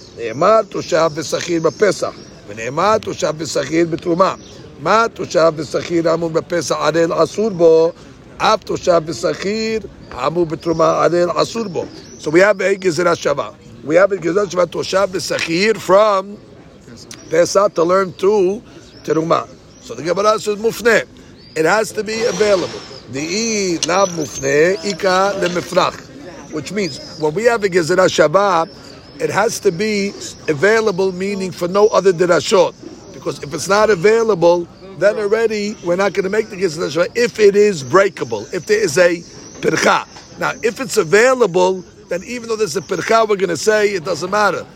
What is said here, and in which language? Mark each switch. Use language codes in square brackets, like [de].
[he] נאמר תושב ושכיר בפסח, ונאמר תושב ושכיר בתרומה. מה תושב ושכיר האמור בפסח ערל אסור בו, אף תושב ושכיר האמור בתרומה ערל אסור בו. [en] So we have a גזרה שווה. We have a גזרה שווה תושב ושכיר from פסח to learn to תרומה. So the Gemara says מופנה. It has to be available. [arc] דאי לאו מופנה איקה למפרח. [en] Which means, when we have a גזרה שווה, it has to be available, meaning for no other derashot. Because if it's not available, then already we're not going to make the gezerah shavah if it is breakable, if there is a percha. Now, if it's available, then even though there's a percha, we're going to say it doesn't matter.